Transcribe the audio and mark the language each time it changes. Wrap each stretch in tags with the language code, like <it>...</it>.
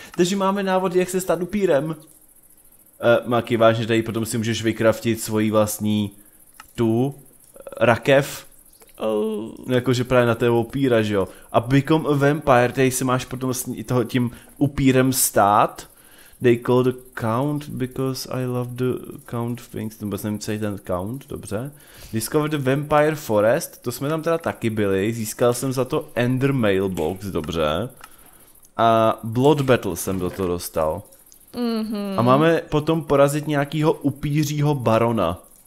<cs>Takže máme návod, jak se stát upírem. Maky, vážně tady potom si můžeš vycraftit svoji vlastní tu rakev. Oh. Jakože právě na toho upíra, že jo. A become a vampire, tady se máš potom s toho tím upírem stát.</cs> <en>They call the count because I love the count things.</en> <cs>To vůbec nevím, co je ten count, dobře. Discover the vampire forest, to jsme tam teda taky byli. Získal jsem za to Ender Mailbox, dobře. A Blood Battle jsem do toho dostal. Mm-hmm. A máme potom porazit nějakýho upířího barona.</cs>